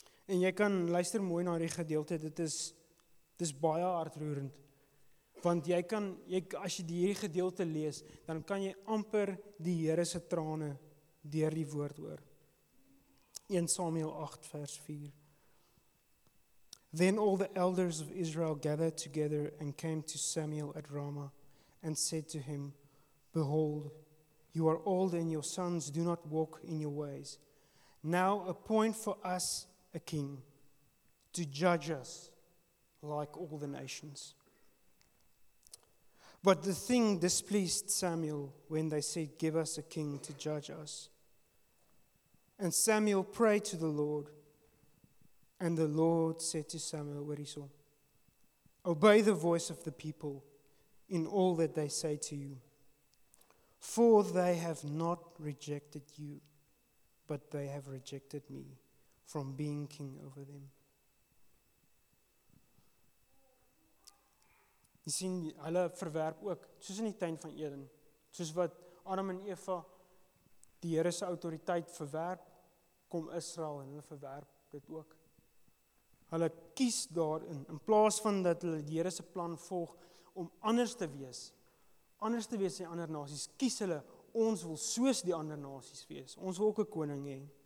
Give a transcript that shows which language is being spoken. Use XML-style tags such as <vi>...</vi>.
<af>En jy kan luister mooi na die gedeelte, dit is baie hartroerend. Want as jy die gedeelte lees, dan kan jy amper die Here se trane deur die woord hoor. 1 Samuel 8 vers 4.</af> <en>Then all the elders of Israel gathered together and came to Samuel at Ramah and said to him, Behold, you are old and your sons do not walk in your ways. Now appoint for us a king to judge us like all the nations. But the thing displeased Samuel when they said, Give us a king to judge us. And Samuel prayed to the Lord. And the Lord said to Samuel, what he saw, Obey the voice of the people in all that they say to you, for they have not rejected you, but they have rejected me from being king over them.</en> <af>Jy sien, hulle verwerp ook, soos in die tuin van Eden, soos wat Adam en Eva die Here se autoriteit verwerp, kom Israel en hulle verwerp dit ook. Hulle kies daarin, in plaas van dat hulle die Here se plan volg om anders te wees die ander nasies, kies hulle, ons wil soos die ander nasies wees, ons wil ook 'n koning hê.</af>